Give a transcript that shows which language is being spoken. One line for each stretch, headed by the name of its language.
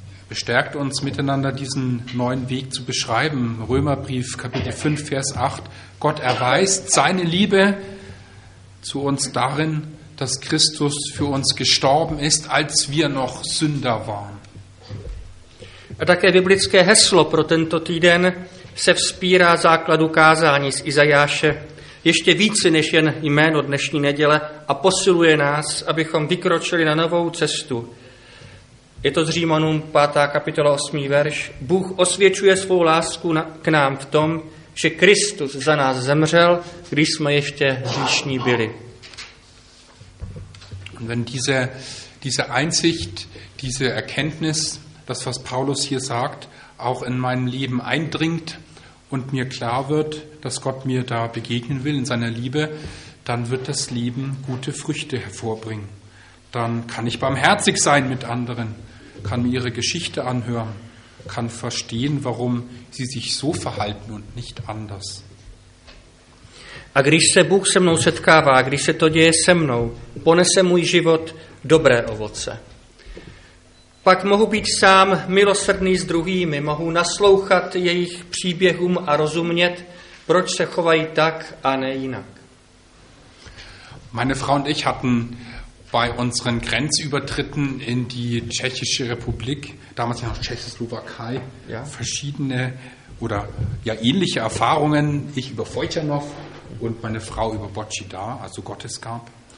German: Bestärkt uns miteinander, diesen neuen Weg zu beschreiben. Römerbrief, Kapitel 5, Vers 8. Gott erweist seine Liebe zu uns darin, dass Christus für uns gestorben ist, als wir noch Sünder waren.
Czech: A také biblické heslo pro tento týden se vzpírá základu kázání z Izajáše ještě více než jen jméno dnešní neděle a posiluje nás, abychom vykročili na novou cestu. Je to z Římanům 5. kapitola 8. verš. Bůh osvědčuje svou lásku k nám v tom, že Kristus za nás zemřel, když jsme ještě hříšní byli.
German: Und wenn diese Einsicht, diese Erkenntnis, das, was Paulus hier sagt, auch in meinem Leben eindringt und mir klar wird, dass Gott mir da begegnen will in seiner Liebe, dann wird das Leben gute Früchte hervorbringen. Dann kann ich barmherzig sein mit anderen, kann mir ihre Geschichte anhören, kann verstehen, warum sie sich so verhalten und nicht anders.
Czech: A když se Bůh se mnou setkává, když se to děje se mnou, ponese můj život dobré ovoce. Pak mohu být sám milosrdný s druhými, mohu naslouchat jejich příběhům a rozumět, proč se chovají tak a ne jinak.
German: Meine Frau und ich hatten bei unseren Grenzübertritten in die Tschechische Republik, damals noch Tschechoslowakei, ja, verschiedene oder ja ähnliche Erfahrungen, ich über Feuchternow und meine Frau über Bocida, also Gottesgab.